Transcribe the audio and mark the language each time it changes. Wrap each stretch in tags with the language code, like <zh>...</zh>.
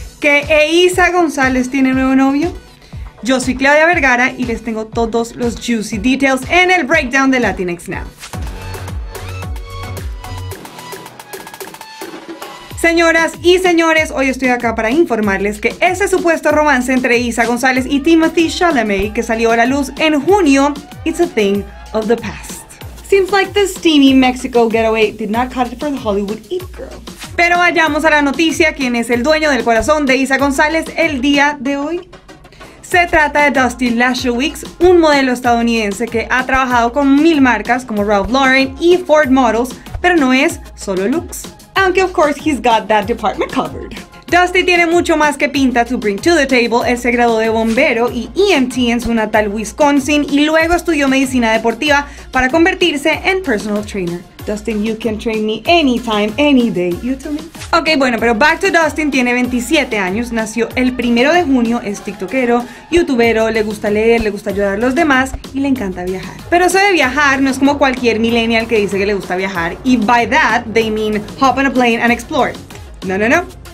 <es>que Eiza González tiene nuevo novio. Yo soy Claudia Vergara y les tengo todos los</es> <en>juicy details</en> <es>en el breakdown de Latinx Now. Señoras y señores, hoy estoy acá para informarles que ese supuesto romance entre Eiza González y Timothée Chalamet, que salió a la luz en junio,</es> <en>it's a thing of the past. Seems like the steamy Mexico getaway did not cut it for the Hollywood Eat Girl.</en> <es>Pero vayamos a la noticia, ¿quién es el dueño del corazón de Eiza González el día de hoy? Se trata de Dustin Lashowicz, un modelo estadounidense que ha trabajado con mil marcas como Ralph Lauren y Ford Models, pero no es solo looks. Aunque,</es> <en>of course, he's got that department covered.</en> <es>Dustin tiene mucho más que pinta</es> <en>to bring to the table.</en> <es>Él se graduó de bombero y EMT en su natal Wisconsin y luego estudió medicina deportiva para convertirse en personal trainer.</es> <en>Dustin, you can train me anytime, any day, you tell me.</en> <es>Ok, bueno, pero</es> <en>back to</en> <es>Dustin, tiene 27 años, nació el 1 de junio, es tiktokero, youtubero, le gusta leer, le gusta ayudar a los demás y le encanta viajar. Pero eso de viajar no es como cualquier millennial que dice que le gusta viajar y</es> <en>by that, they mean hop on a plane and explore.</en> <es>No, no, no.</es>